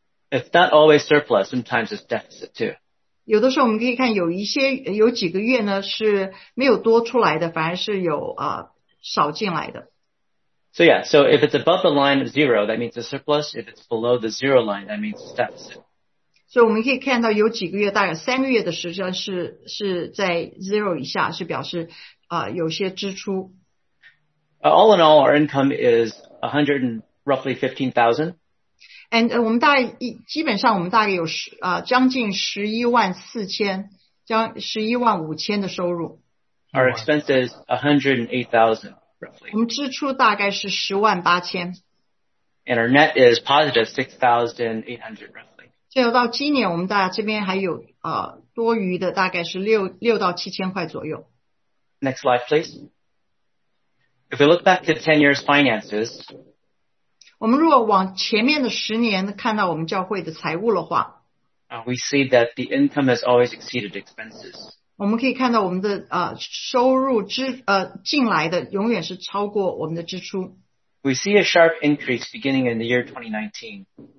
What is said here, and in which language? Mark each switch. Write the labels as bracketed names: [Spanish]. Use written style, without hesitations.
[English] It's not always surplus, sometimes it's deficit too. [Chinese] 有的时候我们可以看有几个月呢是没有多出来的反而是有少进来的。 [English] So yeah, so if it's above the line of zero, that means a surplus. If it's below the zero line, that means it's deficit. [Chinese] 所以我们可以看到有几个月大概三个月的时间是在 zero 以下是表示有些支出。 [English] All in all, our income is roughly 15,000. And [Chinese] 我们大概基本上我们大概有将近11万5千的收入。 [English] Our expense is 108,000 roughly. [Chinese] 我们支出大概是108,000。 [English] And our net is positive 6,800 roughly. [Chinese] 最后到今年我们大家这边还有多余的大概是6到7千块左右。 [English] Next slide please. If we look back to 10 years finances, [Chinese] 我们如果往前面的十年看到我们教会的财务的话 [English] We see that the income has always exceeded expenses. [Chinese] 我们可以看到我们的收入进来的永远是超过我们的支出。 [English] We see a sharp increase beginning in the year 2019.